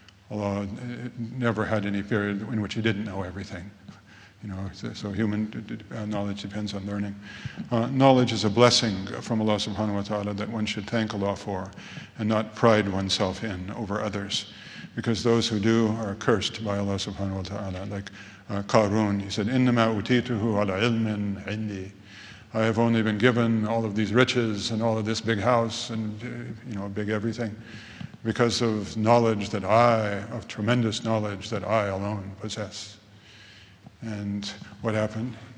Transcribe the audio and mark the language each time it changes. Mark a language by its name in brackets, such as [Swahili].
[English] Allah never had any period in which He didn't know everything. You know, so human knowledge depends on learning. Knowledge is a blessing from Allah subhanahu wa ta'ala that one should thank Allah for and not pride oneself in over others. Because those who do are cursed by Allah subhanahu wa ta'ala. Like Qarun, he said, [Arabic] إِنَّمَا أُوتِيتُهُ عَلَى عِلْمٍ عِنْدِي. [English] I have only been given all of these riches and all of this big house and you know, big everything, because of knowledge that I, of tremendous knowledge that I alone possess. And what happened?